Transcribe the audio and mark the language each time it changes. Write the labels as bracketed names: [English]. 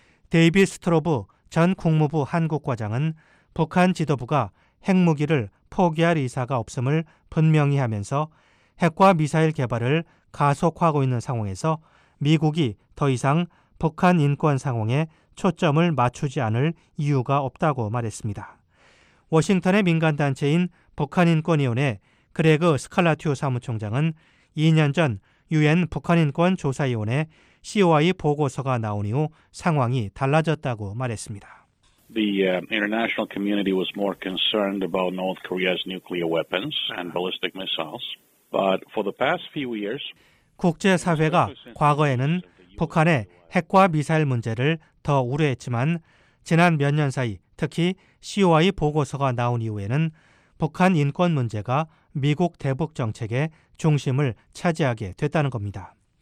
[Korean] 데이비 스트로브 전 국무부 한국과장은 북한 지도부가 핵무기를 포기할 의사가 없음을 분명히 하면서 핵과 미사일 개발을 가속화하고 있는 상황에서 미국이 더 이상 북한 인권 상황에 초점을 맞추지 않을 이유가 없다고 말했습니다. 워싱턴의 민간단체인 북한인권위원회 그레그 스칼라티오 사무총장은 2년 전 유엔 북한인권조사위원회 COI 보고서가 나온 이후 상황이 달라졌다고 말했습니다. [English] The international community was more concerned about North Korea's nuclear weapons and ballistic missiles. But for the past few years, [Korean] 국제사회가 과거에는 북한의 핵과 미사일 문제를 더 우려했지만 지난 몇 년 사이 특히 COI 보고서가 나온 이후에는 북한 인권 문제가 미국 대북 정책의 중심을 차지하게 됐다는 겁니다.